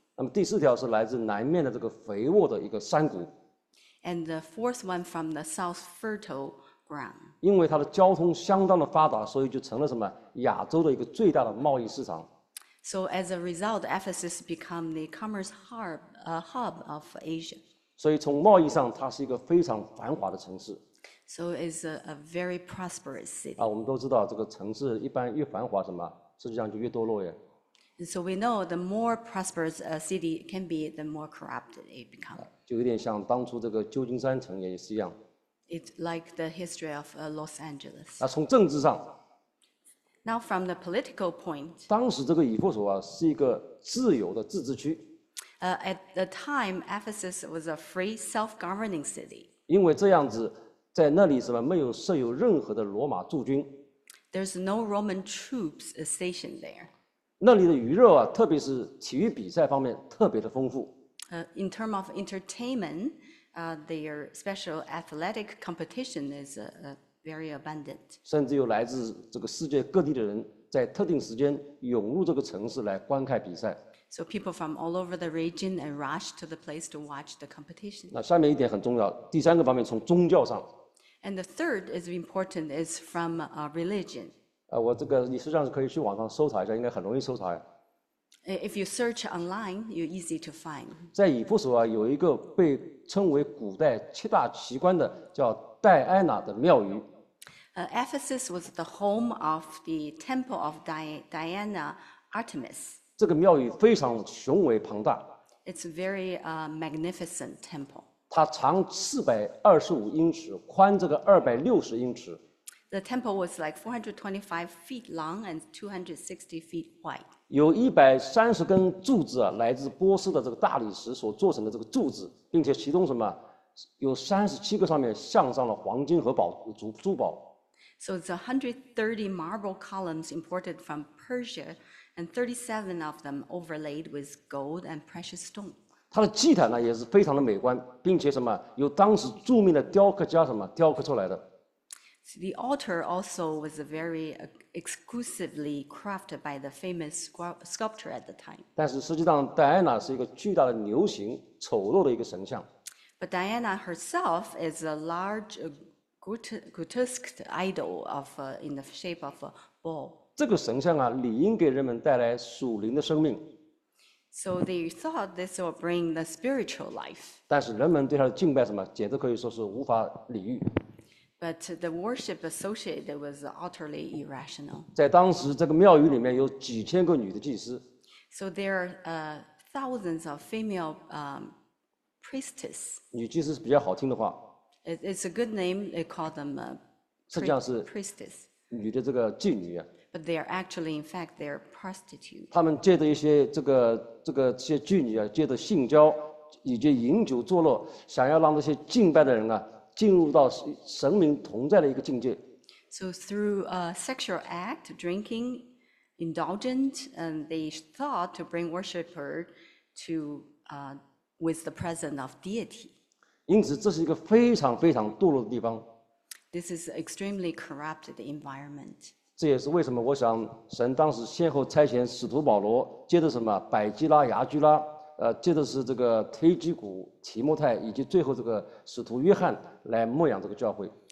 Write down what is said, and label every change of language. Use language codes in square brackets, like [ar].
[zh] 那么第四条是来自南面的这个肥沃的一个山谷。 [en] And the fourth one from the south fertile ground. [zh] 因为它的交通相当的发达，所以就成了什么亚洲的一个最大的贸易市场。 [en] So as a result, Ephesus became the commerce hub of Asia. [zh] 所以从贸易上，它是一个非常繁华的城市。 [en] So it's a very prosperous city. [zh] 我们都知道这个城市一般越繁华，什么实际上就越堕落呀。 [en] And so we know the more prosperous a city can be, the more corrupt it becomes. [zh] 就有点像当初这个旧金山城也是一样。 [en] It's like the history of Los Angeles. [zh] 那从政治上。 [en] Now from the political point, [zh] 当时这个以弗所啊是一个自由的自治区。 [en] At the time, Ephesus was a free, self-governing city. [zh] 因为这样子，在那里什么没有设有任何的罗马驻军。 [en] There's no Roman troops stationed there. [zh] 那里的娱乐啊，特别是体育比赛方面特别的丰富。 [en] In terms of entertainment, their special athletic competition is very abundant. [zh] 甚至有来自这个世界各地的人在特定时间涌入这个城市来观看比赛。 [en] So people from all over the region and rush to the place to watch the competition. [zh] 那下面一点很重要，第三个方面从宗教上。 [en] And the third is important is from religion. [zh] 我这个你实际上是可以去网上搜查一下，应该很容易搜查呀。 [en] If you search online, you're easy to find. [zh] 在以弗所啊，有一个被称为古代七大奇观的叫戴安娜的庙宇。 [en] Ephesus was the home of the temple of Diana Artemis. [zh] 这个庙宇非常雄伟庞大。 [en] It's a very magnificent temple. [zh] 它长425英尺，宽这个260英尺。 [en] The temple was like 425 feet long and 260 feet wide. [zh] 有130根柱子啊，来自波斯的这个大理石所做成的这个柱子，并且其中什么？有37个上面镶上了黄金和珠宝。 [en] So it's 130 marble columns imported from Persia, and 37 of them overlaid with gold and precious stone. [zh] 它的祭坛呢也是非常的美观，并且什么有当时著名的雕刻家什么雕刻出来的。 [en] So the altar also was very exclusively crafted by the famous sculptor at the time. [zh] 但是实际上，戴安娜是一个巨大的牛形丑陋的一个神像。 [en] But Diana herself is a large, grotesque idol in the shape of a bull. [zh] 这个神像啊，理应给人们带来属灵的生命。 [en] So they thought this will bring the spiritual life. [zh] 但是人们对他的敬拜什么，简直可以说是无法理喻。 [en] But the worship associated was utterly irrational. [zh] 在当时，这个庙宇里面有几千个女的祭司。 [en] So there are thousands of female priestess. [zh] 女祭司是比较好听的话。 [en] It's a good name. They call them priestess. [zh] 女的这个妓女啊。 [en] But they are actually, in fact, they are prostitutes. [zh] 他们借着一些这些妓女啊，借着性交以及饮酒作乐，想要让这些敬拜的人啊，进入到神明同在的一个境界。 [en] So through a sexual act, drinking, indulgent, and they thought to bring worshipper to with the presence of deity. [zh] 因此，这是一个非常非常堕落的地方。 [en] This is extremely corrupted environment. [zh] 这也是为什么我想神当时先后差遣使徒保罗，接着什么百基拉、雅居拉，接着是这个忒基古、提摩太，以及最后这个使徒约翰来牧养这个教会。